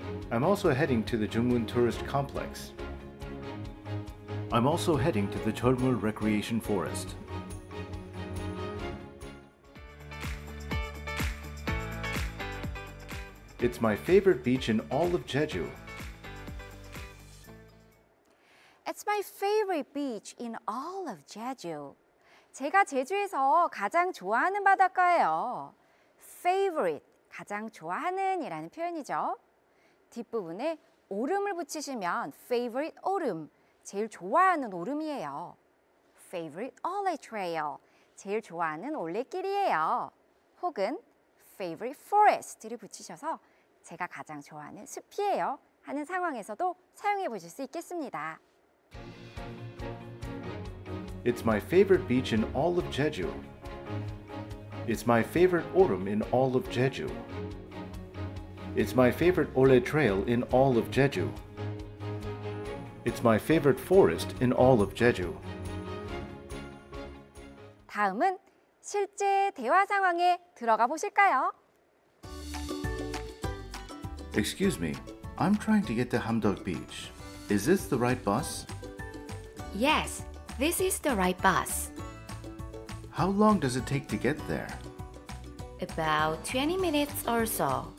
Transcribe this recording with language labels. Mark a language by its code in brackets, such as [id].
[en] I'm also heading to the Jungmun Tourist Complex. I'm also heading to the Cholmul Recreation Forest. It's my favorite beach in all of Jeju. It's my favorite beach in all of Jeju. [ko] 제가 제주에서 가장 좋아하는 바닷가예요. Favorite, 가장 좋아하는 이라는 표현이죠. 뒷부분에 오름을 붙이시면 favorite 오름, 제일 좋아하는 오름이에요. [en] Favorite Olay Trail, [ko] 제일 좋아하는 올레길이에요. 혹은 [en] favorite forest [ko] 를 붙이셔서 제가 가장 좋아하는 숲이에요 하는 상황에서도 사용해 보실 수 있겠습니다. [en] It's my favorite beach in all of Jeju. It's my favorite Orum in all of Jeju. It's my favorite Olay Trail in all of Jeju. It's my favorite forest in all of Jeju. [ko] 다음은 실제 대화 상황에 들어가 보실까요? [en] Excuse me, I'm trying to get to Hamdok Beach. Is this the right bus? Yes, this is the right bus. How long does it take to get there? About 20 minutes or so.